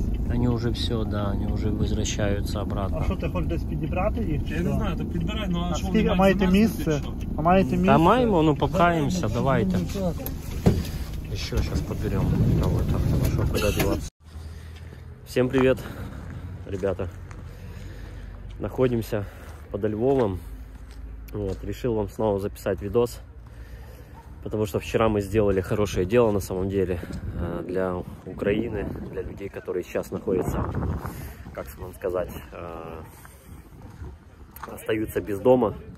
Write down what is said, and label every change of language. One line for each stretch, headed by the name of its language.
Russian: Они уже все, да, они уже возвращаются обратно. А что, ты хочешь
Ukrainian: десь підібрати їх? Я не знаю, то підбирай, но
Russian: а что,
Ukrainian: маєте місце? А маєте місце? Да, маємо, ну покаємося, давайте.
Russian: Еще сейчас подберем кого-то, хорошо, куда деваться. Всем привет, ребята. Находимся под Львовом. Вот, решил вам снова записать видос, потому что вчера мы сделали хорошее дело на самом деле для Украины, для людей, которые сейчас находятся, как вам сказать, остаются без дома.